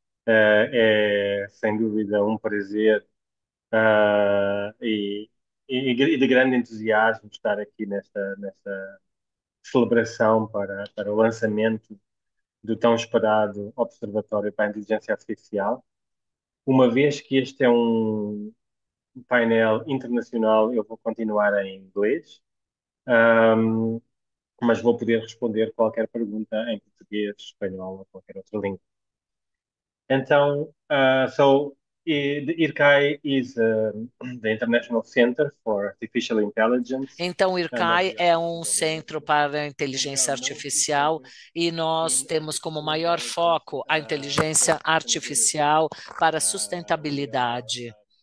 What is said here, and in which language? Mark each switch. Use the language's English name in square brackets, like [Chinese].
[Portuguese] É, sem dúvida, um prazer e de grande entusiasmo estar aqui nesta celebração para o lançamento do tão esperado Observatório para a Inteligência Artificial. Uma vez que este é um painel internacional, eu vou continuar em inglês, mas vou poder responder qualquer pergunta em português, espanhol ou qualquer outra língua. [English] Então, IRCAI is the International Center for Artificial Intelligence. [Portuguese] Então, IRCAI é um centro para a inteligência artificial e nós temos como maior foco a inteligência artificial para a sustentabilidade.